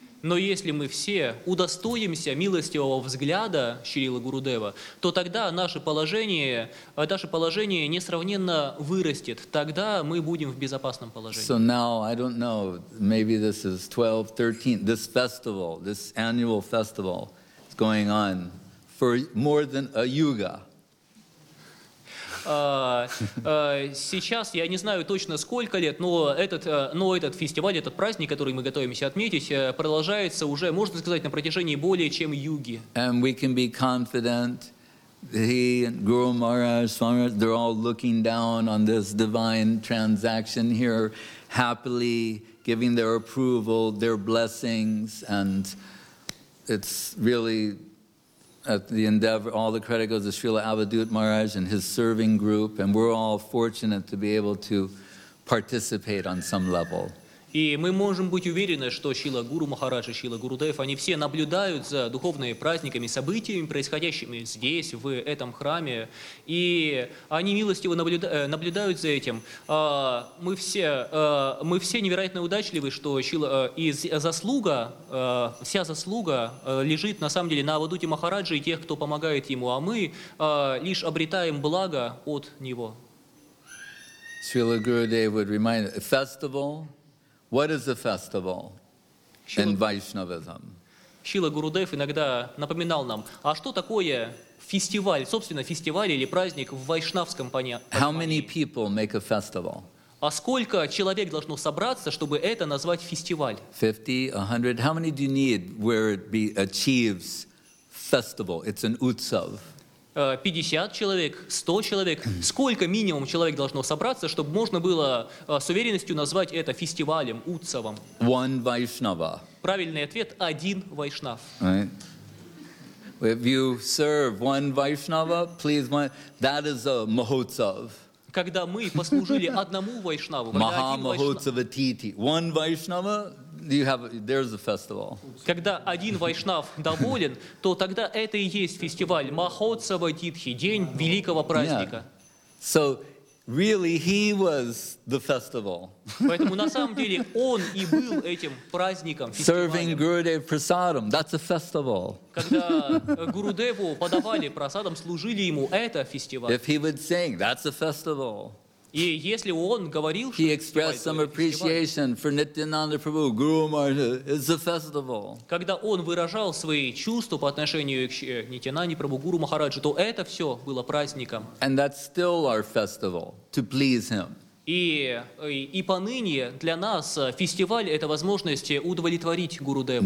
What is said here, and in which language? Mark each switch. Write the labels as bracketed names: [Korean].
[Russian] Но если мы все удостоимся милостивого взгляда Шрилы Гурудева, то тогда наше положение несравненно вырастет. Тогда мы будем в безопасном положении. [English] So now I don't know, maybe this is 12-13, this annual festival is going on for more than a yuga. [Russian] Сейчас я не знаю точно сколько лет, но этот фестиваль, этот праздник, который мы готовимся отметить, продолжается уже, можно сказать, на протяжении более чем юги. [English] And we can be confident, he and Guru Maharaj, Swami Maharaj, they're all looking down on this divine transaction here, happily giving their approval, their blessings, and it's really at the endeavor, all the credit goes to Srila Avadhut Maharaj and his serving group, and we're all fortunate to be able to participate on some level. [Russian] И мы можем быть уверены, что Шрила Гуру Махарадж и Шрила Гурудев, они все наблюдают за духовными праздниками, событиями, происходящими здесь, в этом храме, и они милостиво наблюдают за этим. Мы все невероятно удачливы, что вся заслуга лежит на самом деле на Авадуте Махараджи и тех, кто помогает ему, а мы лишь обретаем благо от него. [English] Шрила Гурудев would remind us, festival. What is a festival in Vaishnavism? [Russian] Шрила Гурудев иногда напоминал нам, а что такое фестиваль, собственно, фестиваль или праздник в вайшнавском понимании? [English] How many people make a festival? [Russian] А сколько человек должно собраться, чтобы это назвать фестиваль? [English] 50, 100. How many do you need where it be achieves festival? It's an utsav. [Russian] 50 человек, 100 человек. Сколько минимум человек должно собраться, чтобы можно было с уверенностью назвать это фестивалем, утсавом? [English] One Vaishnava. [Russian] Правильный ответ – один вайшнав. [English] Right. If you serve one Vaishnava, please, one, that is a mahotsav. [Russian] Когда мы послужили одному вайшнаву, [English] Mahamahotsava Titi. One Vaishnava, you have, there's a festival. [Russian] Когда один вайшнав доволен, то тогда это и есть фестиваль Mahotsava Titi, день великого праздника. [English] So, really, he was the festival. [Russian] Поэтому на самом деле он и был этим праздником, фестивалем. [English] Serving Gurudev Prasadam, that's a festival. [Russian] Когда Гурудеву подавали прасадам, служили ему, это фестиваль. [English] If he would sing, that's a festival. [Russian] И если он говорил, [English] he expressed some appreciation for Nityananda Prabhu, Guru Maharaj, it's a festival. [Russian] Когда он выражал свои чувства по отношению к Нитянанде Прабху, Гуру Махараджу, то это все было праздником. [English] And that's still our festival, to please him. [Russian] И поныне для нас фестиваль – это возможность удовлетворить Гуру Дева.